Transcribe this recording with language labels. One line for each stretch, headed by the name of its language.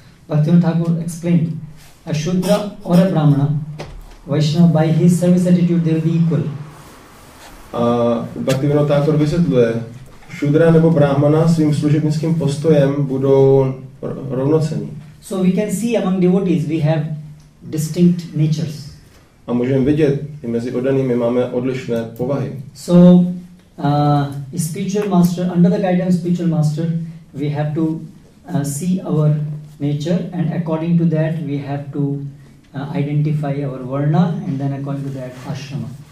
English: Bhaktivinoda Thakur explained, a shudra or a brahmana, Vaishnava by his service attitude they will be equal.
Czech: A Bhaktivinoda Thakur vysvětluje, shudra nebo brahmana svým služebnickým postojem budou rovnocení.
English: So we can see among devotees we have distinct natures.
Czech: A můžeme vidět, i mezi oddanými máme odlišné povahy.
English: So, spiritual master, under the guidance of spiritual master, we have to see our nature and according to that we have to identify our varna and then according to that ashrama.